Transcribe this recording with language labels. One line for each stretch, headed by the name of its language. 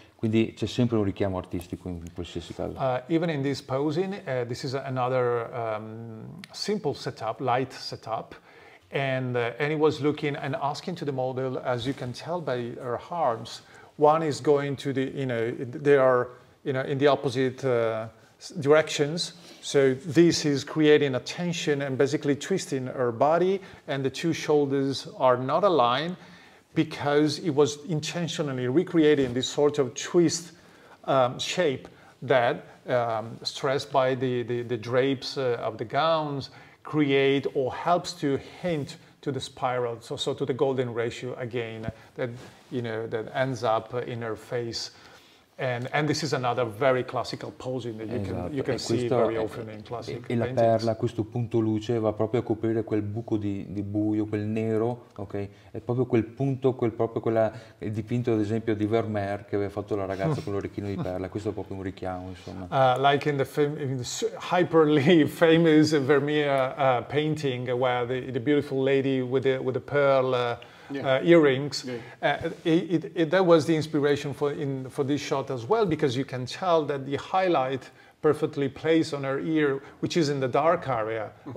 Italian: Quindi c'è sempre un richiamo artistico in qualsiasi caso.
English: Even in this posing, this is another simple setup, light setup, and he was looking and asking to the model, as you can tell by her arms, one is going to the, you know, they are, you know, in the opposite directions. So this is creating a tension and basically twisting her body, and the two shoulders are not aligned. Because it was intentionally recreating this sort of twist shape that, stressed by the drapes of the gowns, create or helps to hint to the spiral, so to the golden ratio again, that, you know, that ends up in her face. And this is another very classical posing that you can see very often in classic paintings.
Italian: E la perla, questo punto luce, va proprio a coprire quel buco di buio, quel nero, ok? È proprio quel punto, il dipinto, ad esempio, di Vermeer che aveva fatto la ragazza con l'orecchino di perla. Questo è proprio un richiamo, insomma.
English: Like in the hyperly famous Vermeer painting, where the beautiful lady with the pearl. Earrings. Yeah. That was the inspiration for this shot as well, because you can tell that the highlight perfectly plays on her ear, which is in the dark area mm-hmm.